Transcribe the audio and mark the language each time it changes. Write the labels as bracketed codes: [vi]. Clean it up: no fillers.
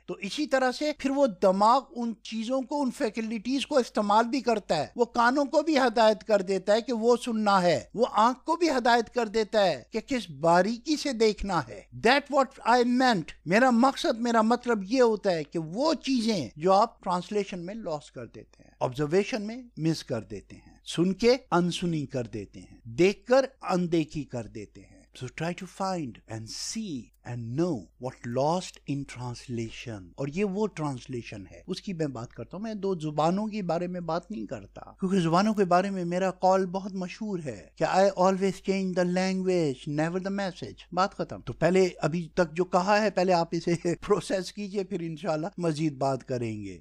[ur] تو اسی طرح سے پھر وہ دماغ ان چیزوں کو, ان فیکلٹیز کو استعمال بھی کرتا ہے, وہ کانوں کو بھی ہدایت کر دیتا ہے کہ وہ سننا ہے, وہ آنکھ کو بھی ہدایت کر دیتا ہے کہ کس باریکی سے دیکھنا ہے. [en] that what I meant, [ur] میرا مقصد, میرا مطلب یہ ہوتا ہے کہ وہ چیزیں جو آپ ٹرانسلیشن میں لاس کر دیتے ہیں, آبزرویشن میں مس کر دیتے ہیں, سن کے انسنی کر دیتے ہیں, دیکھ کر اندیکھی کر دیتے ہیں. [en] So try to find and see and know what lost in translation. [ur] اور یہ وہ ٹرانسلیشن ہے, اس کی میں بات کرتا ہوں. میں دو زبانوں کے بارے میں بات نہیں کرتا, کیونکہ زبانوں کے بارے میں میرا قول بہت مشہور ہے کہ [en] I always change the language, never the message. [ur] بات ختم. تو پہلے ابھی تک جو کہا ہے پہلے آپ اسے پروسیس کیجئے, پھر انشاءاللہ مزید بات کریں گے.